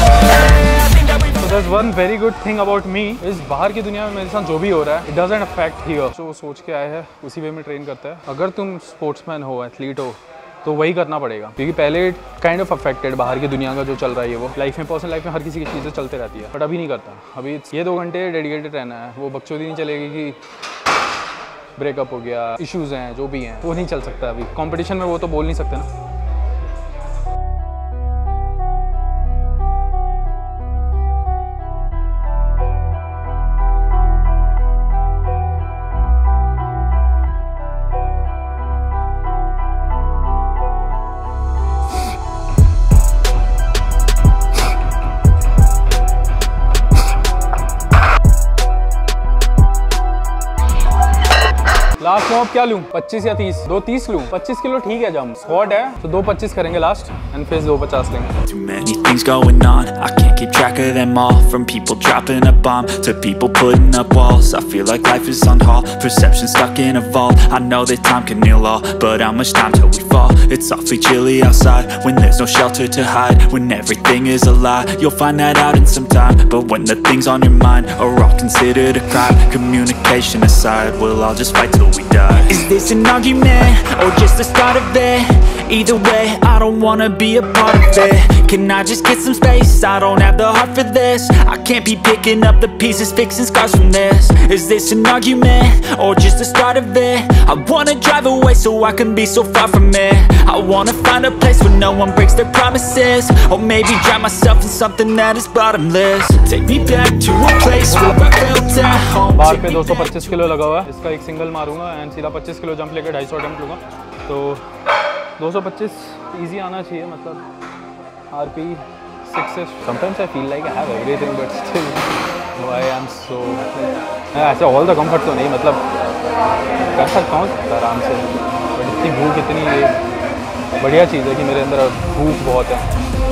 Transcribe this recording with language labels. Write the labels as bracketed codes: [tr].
[en] There's one very good thing about me is [hi] बाहर की दुनिया में मेरे साथ जो भी हो रहा है, [en] it doesn't affect here. [hi] जो सोच के आए हैं उसी वे में ट्रेन करता है। अगर तुम स्पोर्ट्समैन हो, एथलीट हो, तो वही करना पड़ेगा, क्योंकि पहले काइंड ऑफ अफेक्टेड बाहर की दुनिया का जो चल रहा है, वो लाइफ में, पर्सनल लाइफ में हर किसी की चीज़ें चलते रहती है। बट अभी नहीं करता, अभी ये 2 घंटे डेडिकेटेड रहना है। वो बकचोदी नहीं चलेगी कि ब्रेकअप हो गया, इश्यूज हैं, जो भी हैं, वो नहीं चल सकता अभी। कॉम्पिटिशन में वो तो बोल नहीं सकते ना। लास्ट में क्या लूं, 25 या 30? दो 30 लूं, 25 किलो ठीक है, जम स्क्वाट है तो दो 25 करेंगे लास्ट एंड फिर दो 50 लेंगे. [en] Too many things going on, I can't keep track of them all. From people dropping a bomb to people putting up walls, I feel like life is on hold. Perception stuck in a vault. I know that time can heal all, but how much time till we fall? It's awfully chilly outside when there's no shelter to hide. When everything is a lie, you'll find that out in some time. But when the things on your mind are all considered a crime, communication aside, we'll all just fight till we die. Is this an argument or just the start of it? Either way, I don't wanna be a part of it. Can I just get some space? I don't have the heart for this. I can't be picking up the pieces, fixing scars from this. Is this an argument or just the start of it? I wanna drive away so I can be so far from it. I wanna find a place where no one breaks their promises, or maybe drown myself in something that is bottomless. Take me back to a place where I felt at home. [hi] बार पे 225 kilo लगा हुआ है, इसका एक single मारूंगा and सीधा 25 kilo jump लेकर 250 attempt लूंगा. तो 225 इजी आना चाहिए, मतलब आरपी 6 से. [en] sometimes I feel like I have everything but still I am so [hi] ऐसे ऑल द कंफर्ट तो नहीं, मतलब कर सकता हूँ आराम से, बट इतनी भूख इतनी ये बढ़िया चीज़ है कि मेरे अंदर भूख बहुत है.